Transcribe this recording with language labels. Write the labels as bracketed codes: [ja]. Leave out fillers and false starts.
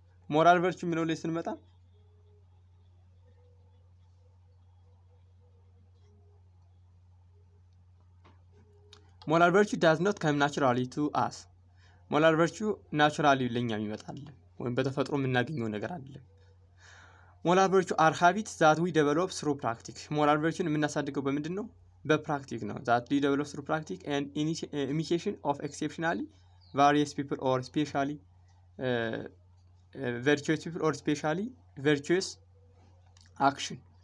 [en] Moral virtue የሚለው ላይ ስንመጣ moral virtue does not come naturally to us. [am] Moral virtue naturally ለኛ የሚመጣል ወይም በተፈጥሮ የምናገኘው ነገር አይደለም። [en] Moral virtue are habits that we develop through practice. [am] Moral virtue የምናሳድገው በምንድን ነው? በpractice ነው. [en] That we develop through practice and imitation of exceptionally various people or specially virtuous people or specially virtuous action.